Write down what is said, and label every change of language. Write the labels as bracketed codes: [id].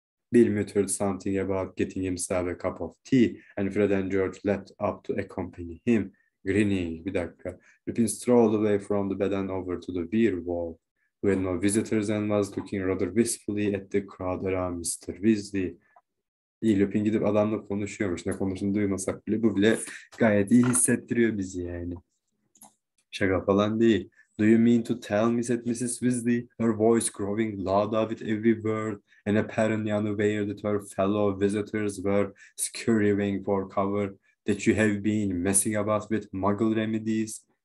[en] Bill muttered something about getting himself a cup of tea, and Fred and George leapt up to accompany him, grinning. [tr] Bir dakika. [en] Lupin strolled away from the bed and over to the werewolf, who had no visitors and was looking rather wistfully at the crowd around Mr. Weasley. [tr] İyi, Lupin gidip adamla konuşuyormuş. Ne konuştuğunu duymasak bile bu bile gayet iyi hissettiriyor bizi yani. Şaka falan değil. [en] Do you mean to tell me, said Mrs. Weasley, her voice growing louder with every word, and apparently unaware that her fellow visitors were scurrying for cover, that you have been messing about with muggle remedies?